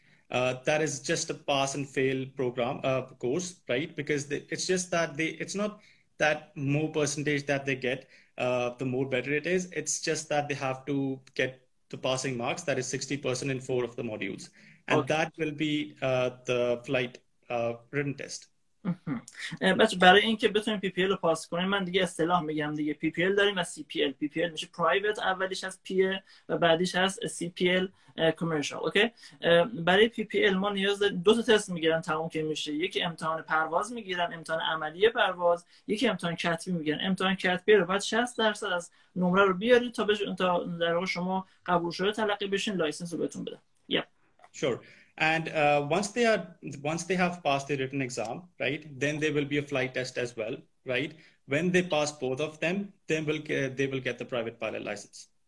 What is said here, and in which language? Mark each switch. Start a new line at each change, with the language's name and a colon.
English: That is just a pass and fail program course, right? Because it's just that it's not that more percentage that they get, the more better it is. It's just that they have to get the passing marks, that is 60% in four of the modules. And okay. That will be the flight written test.
Persian: بچه برای اینکه بتونیم PPL رو پاس کنیم، من دیگه اصطلاح میگم دیگه، PPL داریم و CPL. PPL میشه پرایوت، اولیش هست PA و بعدیش هست CPL کامرشال. اوکی، برای PPL ما نیاز داریم دو تا تست میگیرن تمام که میشه. یکی امتحان پرواز میگیرن، امتحان عملی پرواز، یکی امتحان کتبی میگیرن. امتحان کتبی رو بعد 60% از نمره رو بیاری تا بهش تا در واقع شما قبول شده تلقی بشین، لایسنس رو بهتون بدن.
English: Yeah. Sure. And once they have passed the written exam, right, then there will be a flight test as well, right? When they pass both of them, then they will get the private pilot license.